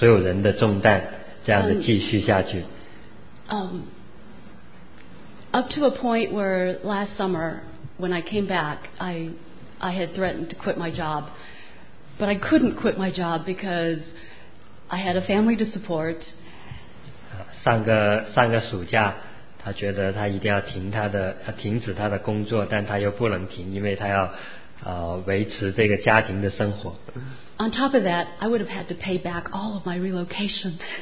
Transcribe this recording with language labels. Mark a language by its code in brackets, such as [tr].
[zh] 所以他觉得他对神说，一定要有一个改变，他不能够背着所有人的重担这样子继续下去。 [en] Up to a point where last summer when I came back, I had threatened to quit my job. But I couldn't quit my job because I had a family to support. [zh] 上个暑假，他觉得他一定要停止他的工作，但他又不能停，因为他要维持这个家庭的生活。 [en] On top of that, I would have had to pay back all of my relocation.